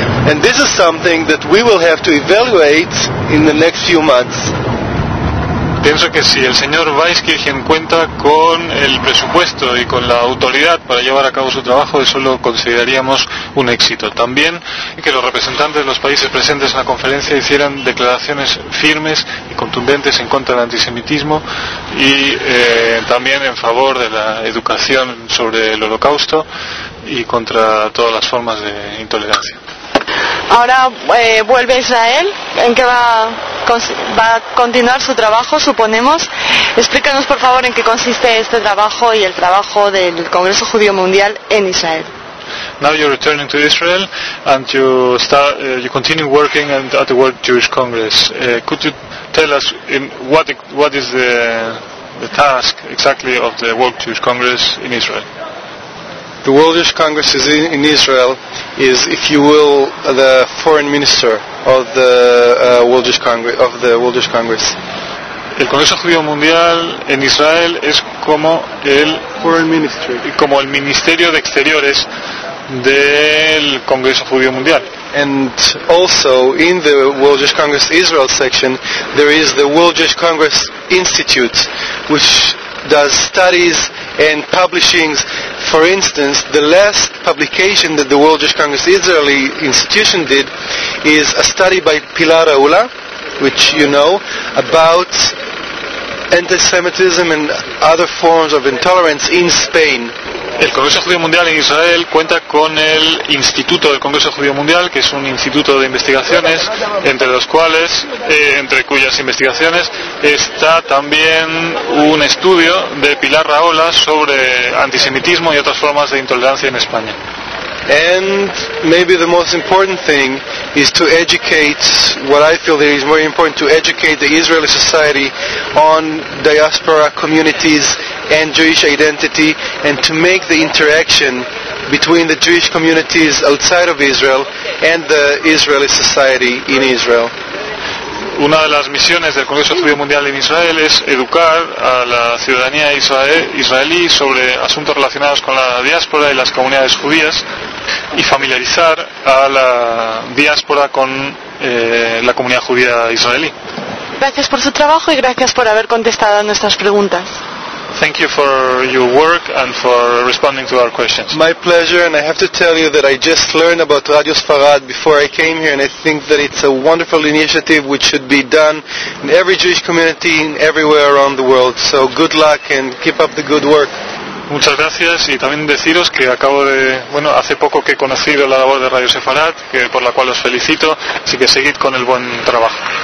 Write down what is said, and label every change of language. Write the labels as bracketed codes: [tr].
[en] And this is something that we will have to evaluate in the next few months. [es] Pienso que si el señor Weizkirchen cuenta con el presupuesto y con la autoridad para llevar a cabo su trabajo, eso lo consideraríamos un éxito. También que los representantes de los países presentes en la conferencia hicieran declaraciones firmes y contundentes en contra del antisemitismo y también en favor de la educación sobre el Holocausto y contra todas las formas de intolerancia. Ahora vuelve Israel. ¿En qué va a continuar su trabajo, suponemos? Explícanos, por favor, en qué consiste este trabajo y el trabajo del Congreso Judío Mundial en Israel. [en] Now you're returning to Israel and you start, you continue working at the World Jewish Congress. Could you tell us what is the task exactly of the World Jewish Congress in Israel? The World Jewish Congress is in Israel is, if you will, the foreign minister of the World Jewish Congress. [es] El Congreso Judío Mundial en Israel es como el [en] foreign ministry, [es] como el Ministerio de Exteriores del Congreso Judío Mundial. [en] And also in the World Jewish Congress Israel section, there is the World Jewish Congress Institute, which does studies and publishings. For instance, the last publication that the World Jewish Congress Israeli institution did is a study by Pilar Aula, which you know, about anti-Semitism and other forms of intolerance in Spain. [es] El Congreso Judío Mundial en Israel cuenta con el Instituto del Congreso Judío Mundial, que es un instituto de investigaciones, entre cuyas investigaciones está también un estudio de Pilar Rahola sobre antisemitismo y otras formas de intolerancia en España. [en] And maybe the most important thing is to educate, what I feel is very important, to educate the Israeli society on diaspora communities and Jewish identity, and to make the interaction between the Jewish communities outside of Israel and the Israeli society in Israel. [es] Una de las misiones del Congreso Judío Mundial en Israel es educar a la ciudadanía israelí sobre asuntos relacionados con la diáspora y las comunidades judías, y familiarizar a la diáspora con la comunidad judía israelí. Gracias por su trabajo y gracias por haber contestado a nuestras preguntas. [en] Thank you for your work and for responding to our questions. My pleasure, and I have to tell you that I just learned about Radio Sfarad before I came here, and I think that it's a wonderful initiative which should be done in every Jewish community and everywhere around the world. So good luck and keep up the good work. [es] Muchas gracias, y también deciros que hace poco que he conocido la labor de Radio Sfarad, que por la cual os felicito, así que seguid con el buen trabajo.